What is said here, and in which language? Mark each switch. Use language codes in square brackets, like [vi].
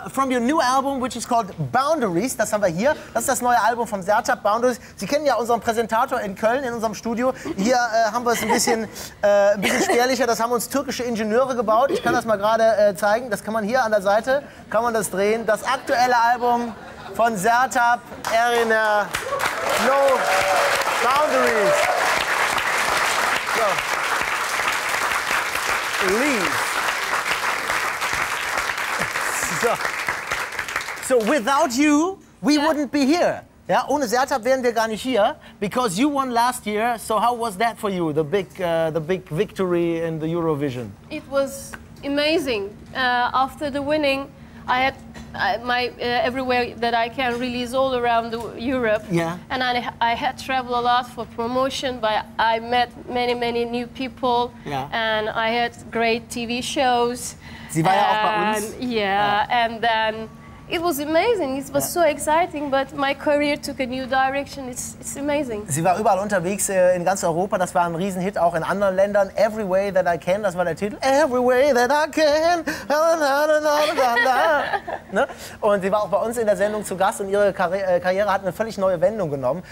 [en] your from your new album, which is called Boundaries. [de] Das haben wir hier. Das ist das neue Album von Sertab, Boundaries. Sie kennen ja unseren Präsentator in Köln, in unserem Studio. Hier haben wir es ein bisschen spärlicher. Das haben uns türkische Ingenieure gebaut. Ich kann das mal gerade zeigen. Das kann man hier an der Seite, kann man das drehen. Das aktuelle Album von Sertab, Erina, No Boundaries. [en] So. Leave. So, without you, we yeah. wouldn't be here. [de] Yeah, ohne Sertab wären wir gar nicht hier. [en] Because you won last year, so how was that for you? The big victory in the Eurovision. It was amazing. After the winning, I had my everywhere that I can release all around the Europe. Yeah. And I had traveled a lot for promotion, but I met many, many new people. Yeah. And I had great TV shows. [de] Sie war ja auch bei uns. [en] Yeah, and then it was amazing. It was yeah. so exciting, but my career took a new direction. It's amazing. [de] Sie war überall unterwegs in ganz Europa. Das war ein Riesenhit auch in anderen Ländern. Every Way That I Can, das war der Titel. Every Way That I Can. Na, na, na, na, na. Ne? Und sie war auch bei uns in der Sendung zu Gast und ihre Karriere hat eine völlig neue Wendung genommen.